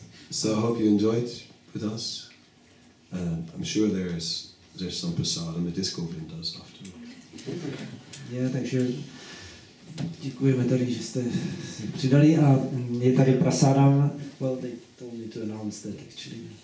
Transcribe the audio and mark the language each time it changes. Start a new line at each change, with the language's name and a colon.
English: So I hope you enjoyed with us. I'm sure there's some prasadam, the disco bin does afterwards.
Czech: Je, takže děkujeme tady, že jste se přidali a je tady Prasadam.
English: Well, they told me to announce that actually.